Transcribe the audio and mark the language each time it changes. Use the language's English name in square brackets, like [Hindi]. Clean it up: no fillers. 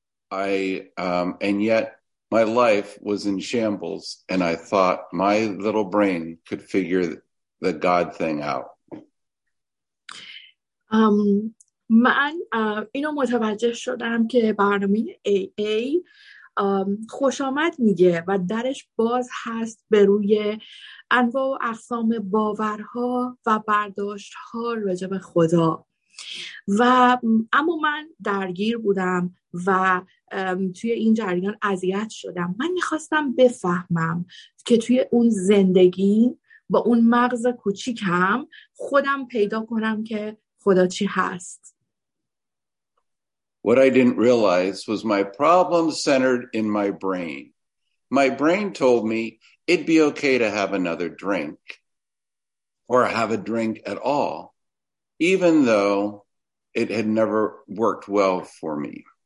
[English] And yet my life was in shambles, and I thought my little brain could figure the God thing out. [Persian] من اینو متوجه شدم که برنامه AA خوش آمد میگه و درش باز هست به روی انواع و اقسام باورها و برداشتها راجع به خدا، و اما من درگیر بودم و توی این جریان اذیت شدم. من میخواستم بفهمم که توی اون زندگی با اون مغز کوچیکم خودم پیدا کنم که خدا چی هست. [English] What I didn't realize was my problem centered in my brain. My brain told me it'd be okay to have another drink or have a drink at all, even though it had never worked well for me.